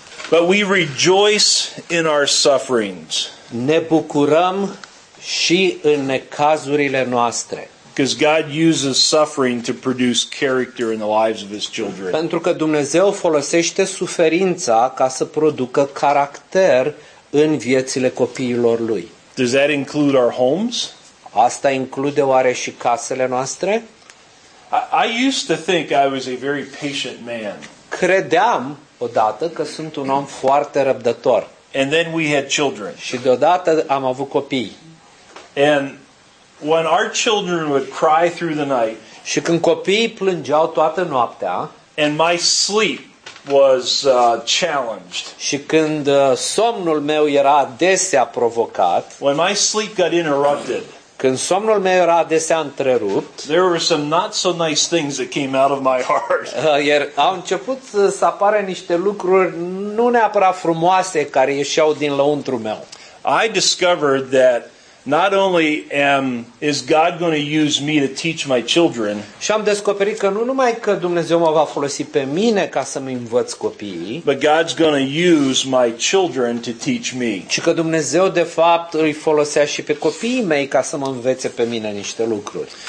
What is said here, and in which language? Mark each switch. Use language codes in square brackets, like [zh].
[en] But we rejoice in our sufferings. [ro] Ne bucurăm și în necazurile noastre. [en] Because God uses suffering to produce character in the lives of his children. [ro] Pentru că Dumnezeu folosește suferința ca să producă caracter în viețile copiilor lui. [en] Does that include our homes? [ro] Asta include oare și casele noastre? [en] I used to think I was a very patient man. [ro] Credeam odată că sunt un om foarte răbdător. [en] And then we had children. [ro] Și deodată am avut copii. [en] And when our children would cry through the night, [ro] și când copiii plângeau toată noaptea, [en] and my sleep was challenged, [ro] și când somnul meu era adesea provocat, [en] when my sleep got interrupted, [ro] când somnul meu era adesea întrerupt, [en] there were some not so nice things that came out of my heart. [ro] Iar au început să apară niște lucruri nu neapărat frumoase care ieșeau din lăuntru meu. [en] I discovered that not only is God going to use me to teach my children. [ro] Și am descoperit că nu numai că Dumnezeu mă va folosi pe mine ca să mă învăț copiii, [en] but God's going to use my children to teach me. [ro] Și că Dumnezeu de fapt îi folosea și pe copiii mei ca să mă învețe pe mine niște lucruri.